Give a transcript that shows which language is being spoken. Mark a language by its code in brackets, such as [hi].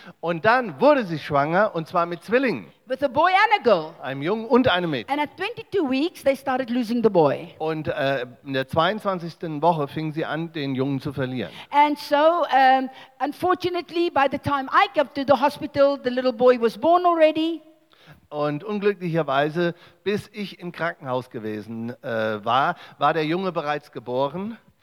[de] Und dann wurde sie schwanger und zwar mit Zwillingen. [en] With a boy and a girl. [de] Einem Jungen und einem Mädchen. [en] And at 22 weeks they started losing the boy. [de] Und in der 22. Woche fing sie an, den Jungen zu verlieren. [en] And so unfortunately by the time I got to the hospital the little boy was born already. [de] Und unglücklicherweise, bis ich im Krankenhaus gewesen war der Junge bereits geboren.